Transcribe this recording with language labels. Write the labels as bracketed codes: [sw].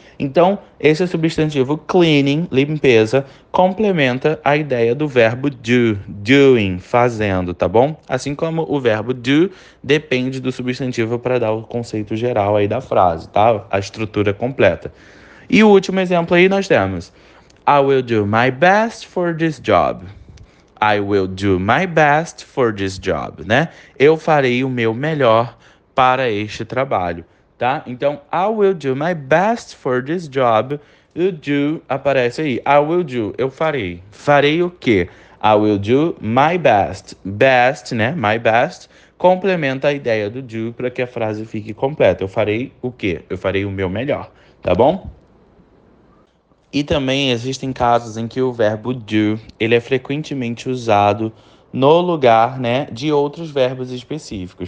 [pt] Então, esse substantivo cleaning, limpeza, complementa a ideia do verbo do, doing, fazendo, tá bom? Assim como o verbo do depende do substantivo para dar o conceito geral aí da frase, tá? A estrutura completa. E o último exemplo aí nós temos. [en] I will do my best for this job. I will do my best for this job, né? [pt] Eu farei o meu melhor para este trabalho, tá? Então, [en] I will do my best for this job. [pt] O do aparece aí. [en] I will do, [pt] eu farei. Farei o quê? [en] I will do my best. [pt] Best, né? [en] My best [pt] complementa a ideia do do para que a frase fique completa. Eu farei o quê? Eu farei o meu melhor, tá bom? E também existem casos em que o verbo do, ele é frequentemente usado no lugar, né, de outros verbos específicos.